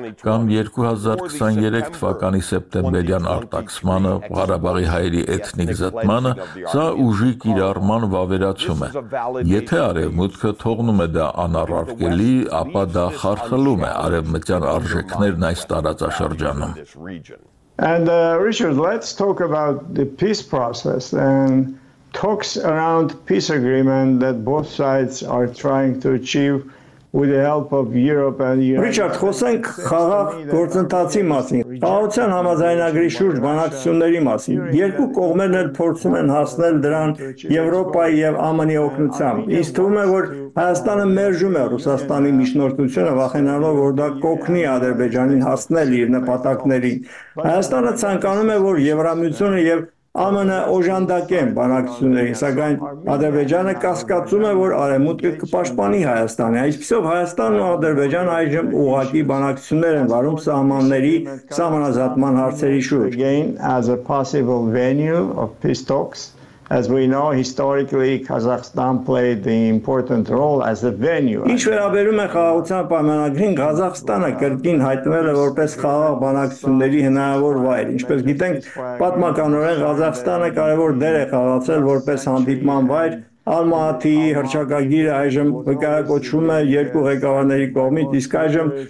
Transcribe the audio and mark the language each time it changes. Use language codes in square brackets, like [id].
[hy] կամ 2023 թվականի սեպտեմբերյան արտաքսմանը, Ղարաբաղի հայերի էթնիկ զտմանը, սա ուժի կիրառման վավերացում է։ Եթե արևմուտքը թողնում է դա անառարկելի, ապա դա խարխլում է արևմտյան արժեքներն այս տարածաշրջանում։ [en] And Richard, let's talk about the peace process and talks around peace agreement that both sides are trying to achieve with the help of Europe and United States. [hy] Ռիչարդ, խոսենք խաղաղ գործընթացի մասին, Պարտության համաձայնագրի շուրջ բանակցությունների մասին։ Երկու կողմերն էլ փորձում են հասնել դրան Եվրոպայի և ԱՄՆ-ի օգնությամբ։ Ինձ թվում է, որ Հայաստանը մերժում է Ռուսաստանի միջնորդությունը, վախենալով, որ դա կօգնի Ադրբեջանին հասնել իր նպատակներին։ Հայաստանը ցանկանում է, որ Եվրամիությունը և ԱՄՆ-ը օժանդակեն բանակցություններին, սակայն Ադրբեջանը կասկածում է, որ արևմուտքը կպաշտպանի Հայաստանը։ Այսպիսով Հայաստանն ու Ադրբեջանը այժմ ուղղակի բանակցություններ են վարում սահմանների սահմանազատման հարցերի շուրջ։ [en] Again as a possible venue of peace talks, as we know historically Kazakhstan played the important role as a venue. [hy] Ինչ վերաբերում է խաղաղության պայմանագրին, Ղազախստանը կրկին հայտնվել է որպես խաղաղ բանակցությունների հնարավոր վայր։ Ինչպես գիտենք, պատմականորեն Ղազախստանը կարևոր դեր է խաղացել որպես հանդիպման վայր Ալմաթիի հռչակագիրը այժմ վկայակոչվում է երկու ղեկավարների կողմից, իսկ այժմ